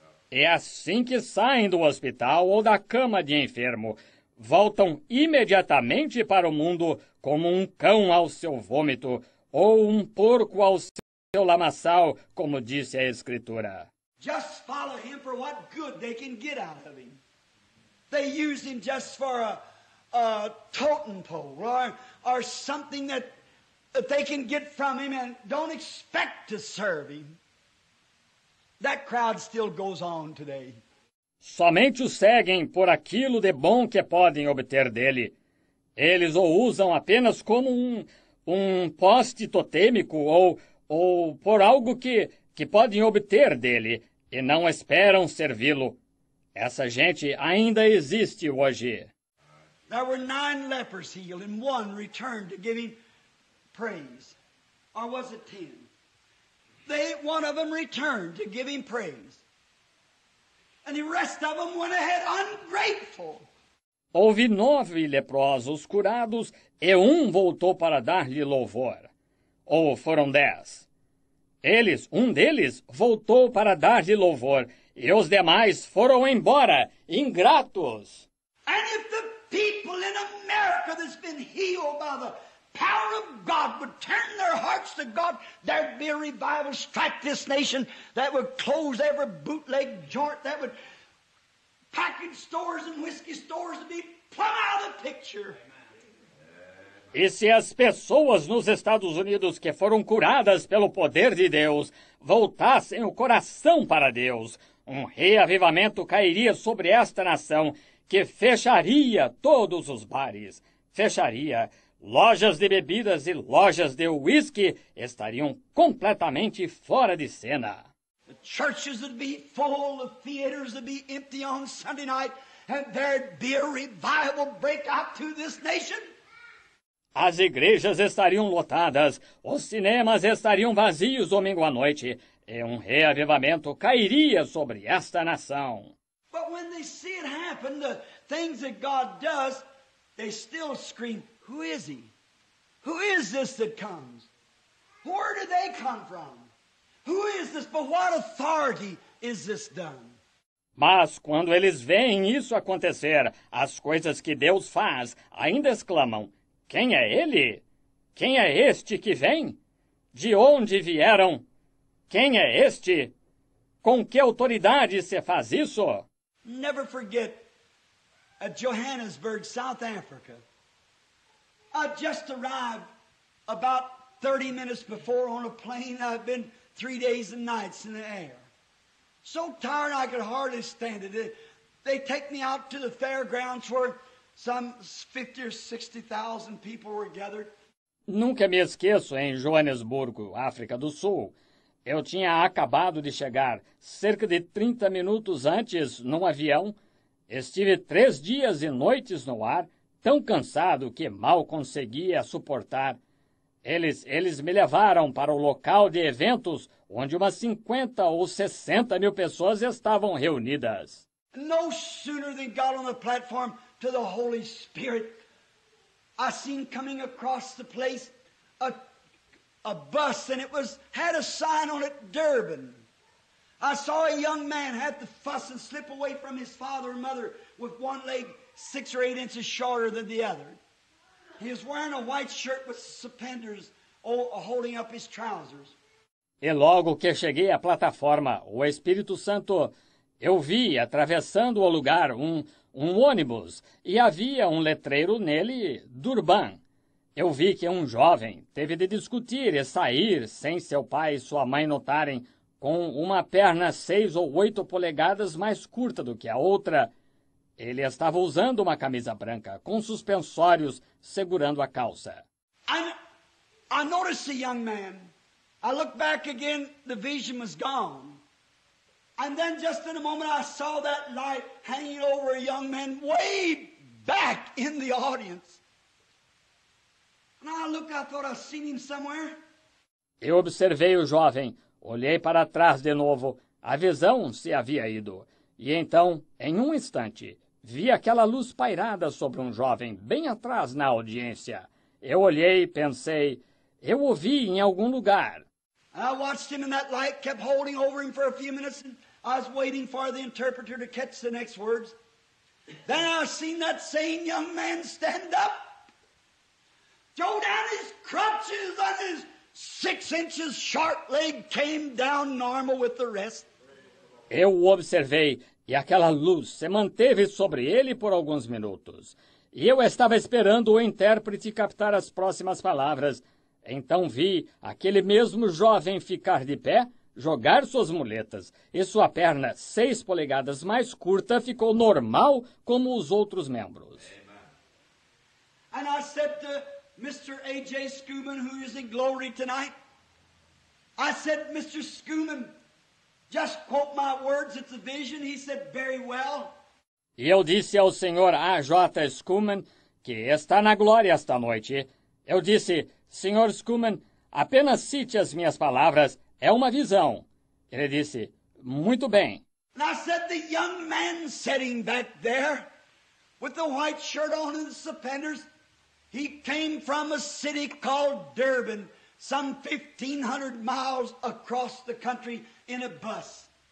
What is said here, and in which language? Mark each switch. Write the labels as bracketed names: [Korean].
[Portuguese] É assim que saem do hospital ou da cama de enfermo. Voltam imediatamente para o mundo como um cão ao seu vômito ou um porco ao seu lamaçal, como disse a Escritura. [English] Just follow him for what good they can get out of him. They use him just for a totem pole or something that they can get from him and don't expect to serve him. That crowd still goes on today. [Portuguese] Somente o seguem por aquilo de bom que podem obter dele. Eles o usam apenas como um poste totêmico ou por algo que podem obter dele e não esperam servi-lo. Essa gente ainda existe hoje. [English] There were 9 lepers healed and one returned to give him praise. Or was it 10? One of them returned to give him praise. And the rest of them went ahead ungrateful. [Portuguese] Houve 9 leprosos curados e um voltou para dar-lhe louvor. Ou foram 10? Um deles voltou para dar-lhe louvor e os demais foram embora, ingratos. [English] And if the people in America that's been healed by the power of God would turn their hearts to God, there'd be a revival strike this nation that would close every bootleg joint, that would package stores and whiskey stores would be plumb out of the picture. [Portuguese] E se as pessoas nos Estados Unidos que foram curadas pelo poder de Deus voltassem o coração para Deus, um reavivamento cairia sobre esta nação que fecharia todos os bares. Fecharia lojas de bebidas e lojas de uísque estariam completamente fora de cena. [English] The churches would be full, the theaters would be empty on Sunday night, and there'd be a revival breakout to this nation. [Portuguese] As igrejas estariam lotadas, os cinemas estariam vazios domingo à noite, e um reavivamento cairia sobre esta nação. [English] But when they see it happen, the things that God does, they still scream, who is he? Who is this that comes? Where do they come from? Who is this? By what authority is this done? [Portuguese] Mas quando eles veem isso acontecer, as coisas que Deus faz ainda exclamam, quem é ele? Quem é este que vem? De onde vieram? Quem é este? Com que autoridade se faz isso? [English] Never forget at Johannesburg, South Africa. I just arrived about 30 minutes before on a plane. I've been 3 days and nights in the air. So tired I could hardly stand it. They take me out to the fairgrounds where some 50 or 60,000 people were gathered. [Portuguese] Nunca me esqueço em Joanesburgo, África do Sul. Eu tinha acabado de chegar cerca de 30 minutos antes num avião. Estive 3 dias e noites no ar, tão cansado que mal conseguia suportar. Eles me levaram para o local de eventos onde umas 50 ou 60 mil pessoas estavam reunidas. [English] No sooner than got on the platform to the Holy Spirit, I seen coming across the place a bus, and it was had a sign on it, Durban. I saw a young man had to fuss and slip away from his father and mother with one leg 6 or 8 inches shorter than the other. He was wearing a white shirt with suspenders holding up his trousers. [Portuguese] E logo que cheguei à plataforma, o Espírito Santo, eu vi atravessando o lugar um ônibus, e havia um letreiro nele, Durban. Eu vi que um jovem teve de discutir e sair sem seu pai e sua mãe notarem, com uma perna 6 ou 8 polegadas mais curta do que a outra. Ele estava usando uma camisa branca, com suspensórios, segurando a calça. [English] I noticed a young man. I looked back again, the vision was gone. And then just in a moment I saw that light hanging over a young man way back in the audience. And I looked, I thought I'd seen him somewhere. [Portuguese] Eu observei o jovem, olhei para trás de novo, a visão se havia ido. E então, em um instante, vi aquela luz pairada sobre um jovem bem atrás na audiência. Eu olhei e pensei, eu o vi em algum lugar. [English] I watched him in that light, kept holding over him for a few minutes and I was waiting for the interpreter to catch the next words. Then I seen that same young man stand up, throw down his crutches, and his 6 inches short leg came down normal with the rest. [Portuguese] Eu o observei, e aquela luz se manteve sobre ele por alguns minutos. E eu estava esperando o intérprete captar as próximas palavras. Então vi aquele mesmo jovem ficar de pé, jogar suas muletas, e sua perna 6 polegadas mais curta ficou normal como os outros membros. [English] And I said to Mr. A.J. Schuman, who is in glory tonight, I said, Mr. Schuman, just quote my words, it's a vision. He said, very well. [Portuguese] E eu disse ao Sr. A.J. Schuman, que está na glória esta noite, eu disse, Sr. Schuman, apenas cite as minhas palavras. É uma visão. Ele disse, muito bem. [English] And I said, the young man sitting back there with the white shirt on and the suspenders, he came from a city called Durban, some 1,500 miles across the country in a bus.